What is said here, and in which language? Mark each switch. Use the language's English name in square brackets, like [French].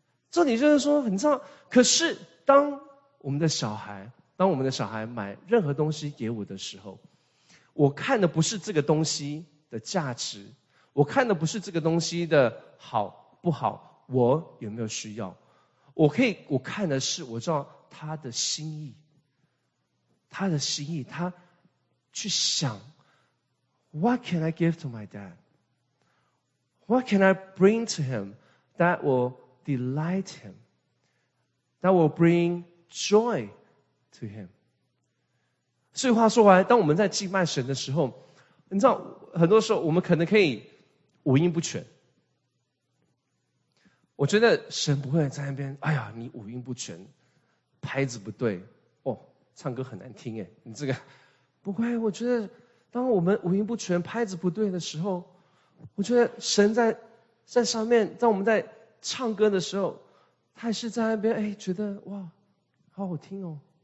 [Chinese] 这你就是说你知道，可是当我们的小孩，当我们的小孩买任何东西给我的时候，我看的不是这个东西的价值，我看的不是这个东西的好不好，我有没有需要，我看的是我知道他的心意，他的心意，他去想 [English] What can I give to my dad? What can I bring to him that will delight him? That will bring joy to him? [Chinese] 所以话说回来，当我们在敬拜神的时候，你知道很多时候我们可能可以五音不全，我觉得神不会在那边哎呀你五音不全拍子不对哦，唱歌很难听耶，你这个不会，我觉得当我们五音不全拍子不对的时候，我觉得神在上面，当我们在唱歌的时候，他还是在那边哎，觉得哇好好听哦，